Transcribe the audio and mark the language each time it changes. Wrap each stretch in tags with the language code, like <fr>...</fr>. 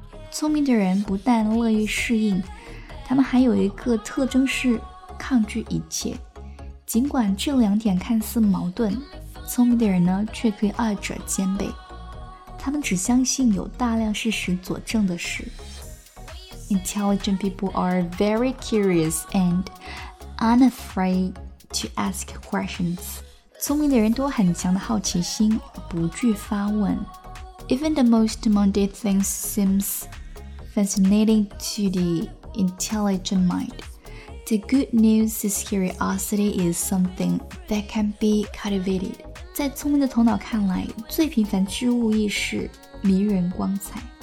<zh>聪明的人不但乐于适应，他们还有一个特征是抗拒一切。尽管这两点看似矛盾，聪明的人呢却可以二者兼备。他们只相信有大量事实佐证的事。</zh> <en>Intelligent people are very curious and unafraid to ask questions.</en> <zh>聪明的人都很强的好奇心，不惧发问。</zh> <en>Even the most mundane things seem fascinating to the intelligent mind. The good news is curiosity is something that can be cultivated.</en> <zh>在聪明的头脑看来，最平凡之物亦是迷人光彩。</zh>